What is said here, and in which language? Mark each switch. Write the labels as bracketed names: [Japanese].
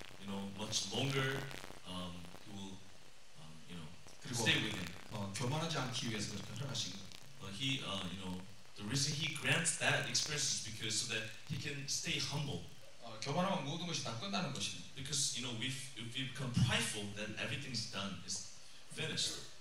[English] you know, much longer, he will, you know, stay with him. [Korean] 교만하지 않기 위해서 그렇게 하신 거. [English] But he, you know, the reason he grants that experience is because so that he can stay humble. [Korean] 교만하면 모든 것이 다 끝나는 것입니다. [English] Because you know, if we become prideful, then everything is done, is finished.